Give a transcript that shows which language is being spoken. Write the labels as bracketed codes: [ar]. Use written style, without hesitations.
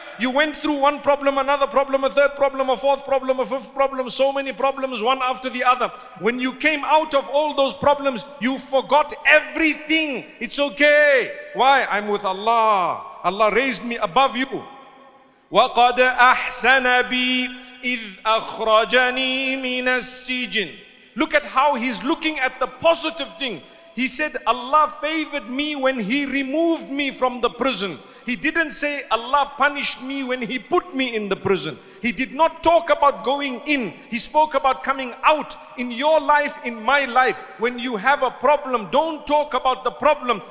[en] You went through one problem, another problem, a third problem, a fourth problem, a fifth problem, so many problems, one after the other. When you came out of all those problems, you forgot everything. It's okay. Why? I'm with Allah. Allah raised me above you. [ar] وَقَدْ أَحْسَنَ بِي إِذْ أَخْرَجَنِي مِنَ السِّجْنِ. [en] Look at how he's looking at the positive thing. He said, Allah favored me when He removed me from the prison. He didn't say Allah punished me when He put me in the prison. He did not talk about going in. He spoke about coming out. In your life, in my life, when you have a problem, don't talk about the problem.